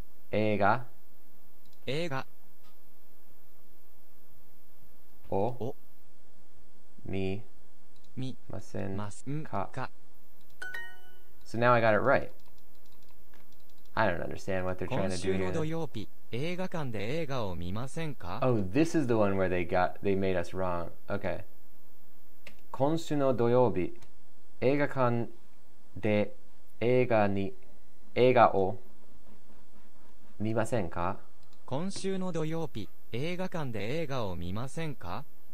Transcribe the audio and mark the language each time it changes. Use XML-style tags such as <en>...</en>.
<ja>映画映画をみませんか?</ja> <en>So now I got it right. I don't understand what they're trying to do here.</en> <ja>今週の土曜日、映画館で映画を見ませんか?</ja> <en>Oh, this is the one where they made us wrong. Okay.</en> <ja>今週の土曜日、映画館で映画を見ませんか? 今週の土曜日、映画館で映画を見ませんか?</ja>